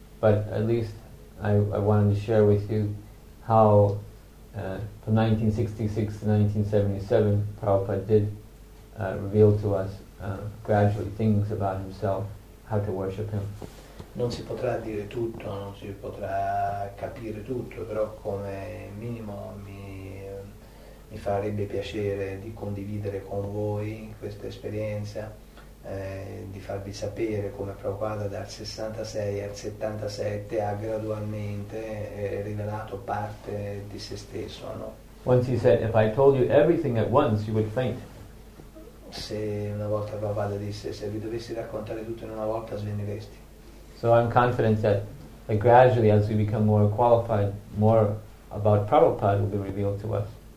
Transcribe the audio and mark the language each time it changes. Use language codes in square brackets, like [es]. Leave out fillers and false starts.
[en] But at least I wanted to share with you how from 1966 to 1977 Prabhupada did reveal to us gradually things about himself, how to worship him. [it] Non si potrà dire tutto, non si potrà capire tutto, però come minimo mi farebbe piacere di condividere con voi questa esperienza, di farvi sapere come Prabhupada dal 66 al 77 ha gradualmente rivelato parte di se stesso, no? [en] Once he said, if I told you everything at once, you would faint. [it] Se una volta Prabhupada disse, se vi dovessi raccontare tutto in una volta, svenireste. [en] So I'm confident that gradually, as we become more qualified, more about Prabhupada will be revealed to us.